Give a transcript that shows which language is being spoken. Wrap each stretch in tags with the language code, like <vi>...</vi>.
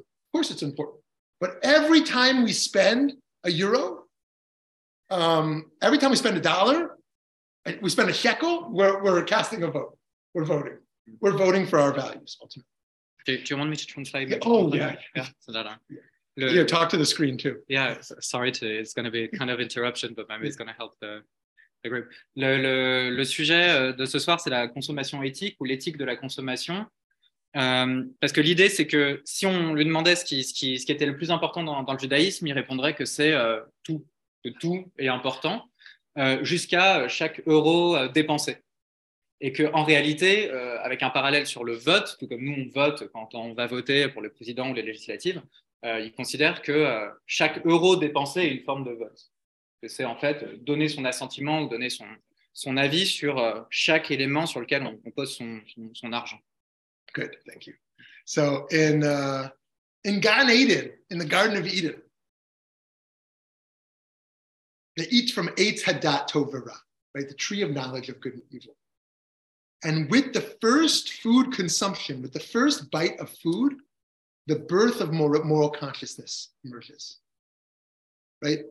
<en>Of course it's important. But every time we spend a euro, every time we spend a dollar, we spend a shekel, we're casting a vote. We're voting. We're voting for our values, ultimately. Do you want me to translate? Yeah, talk to the screen too. Yeah, sorry to, it's going to be kind of interruption, but maybe it's going to help the group.</en> <fr>Le sujet de ce soir, c'est la consommation éthique ou l'éthique de la consommation. Parce que l'idée, c'est que si on lui demandait ce qui était le plus important dans le judaïsme, il répondrait que c'est tout, que tout est important, jusqu'à chaque euro dépensé. Et qu'en réalité, avec un parallèle sur le vote, tout comme nous on vote quand on va voter pour le président ou les législatives, il considère que chaque euro dépensé est une forme de vote. Que c'est en fait donner son assentiment ou donner son avis sur chaque élément sur lequel on pose son argent.</fr> <en>Good, thank you. So in Gan Eden, in the Garden of Eden, they eat from Eitz Hadat Tov V'Ra, right? The tree of knowledge of good and evil. And with the first food consumption, with the first bite of food, the birth of moral consciousness emerges, right?</en>